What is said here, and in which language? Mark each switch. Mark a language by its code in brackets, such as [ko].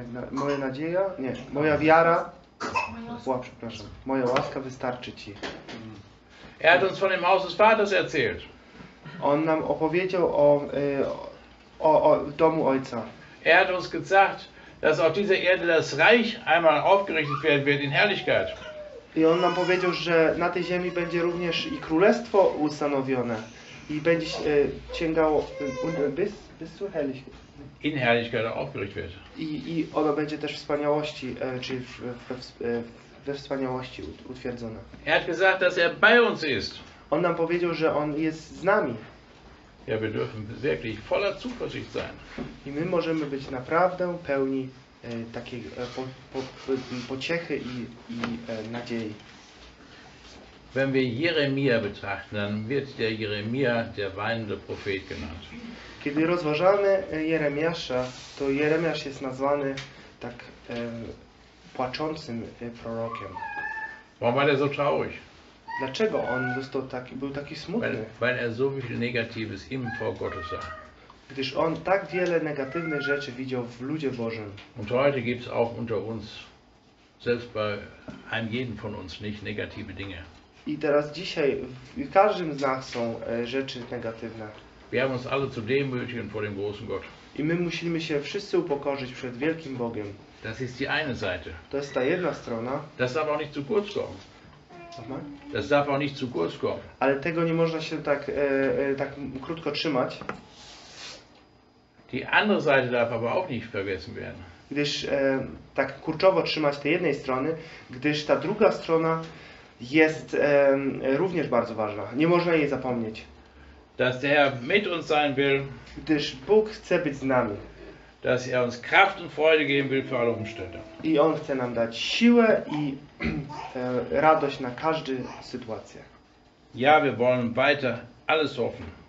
[pl] Moja nadzieja, nie, moja wiara, przepraszam, moja łaska wystarczy ci. [de] Er hat uns von dem Haus des Vaters erzählt. [pl] On nam opowiedział o, domu Ojca. [de] Er hat uns gesagt, dass auf dieser Erde das Reich einmal aufgerichtet werden wird in Herrlichkeit. [pl] I on nam powiedział, że na tej ziemi będzie również i królestwo ustanowione i będzie sięgało [de] bis zu Herrlichkeit. In Herrlichkeit aufgerichtet wird. [pl] I ono będzie też wspaniałości, czy we wspaniałości utwierdzone. [de] Er hat gesagt, dass er bei uns ist. [pl] On nam powiedział, że on jest z nami. [de] Ja, wir dürfen wirklich voller Zuversicht sein. [pl] I my możemy być naprawdę pełni takiej pociechy i nadziei. [de] Wenn wir Jeremia betrachten, dann wird der Jeremia der weinende Prophet genannt. [pl] Kiedy rozważamy Jeremiasza, to Jeremiasz jest nazwany tak płaczącym prorokiem. [de] Warum war der so traurig? [pl] Dlaczego on został taki, był taki smutny? [de] Weil er so viel Negatives im vor Gottes sah. [pl] Gdyż on tak wiele negatywnych rzeczy widział w ludzie Bożym. [de] Und heute gibt's auch unter uns, selbst bei einem jeden von uns, nicht negative Dinge. [pl] I teraz dzisiaj w każdym z nas są rzeczy negatywne. [de] Wir haben uns alle zu demütigen vor dem großen Gott. [pl] I my musimy się wszyscy upokorzyć przed wielkim Bogiem. [de] Das ist die eine Seite. [pl] To jest ta jedna strona. [de] Das darf auch nicht zu kurz kommen. Das darf auch nicht zu kurz kommen. [pl] Ale tego nie można się tak tak krótko trzymać. [de] Die andere Seite darf aber auch nicht vergessen werden. [pl] Gdyż tak kurczowo trzymać tej jednej strony, gdyż ta druga strona jest również bardzo ważna. Nie można jej zapomnieć. [de] Dass der Herr mit uns sein will. [pl] Gdyż Bóg chce być z nami. [de] Dass er uns Kraft und Freude geben will für alle Umstände. [pl] I on chce nam dać siłę i radość na każdą sytuację. [de] Ja, wir wollen weiter alles hoffen.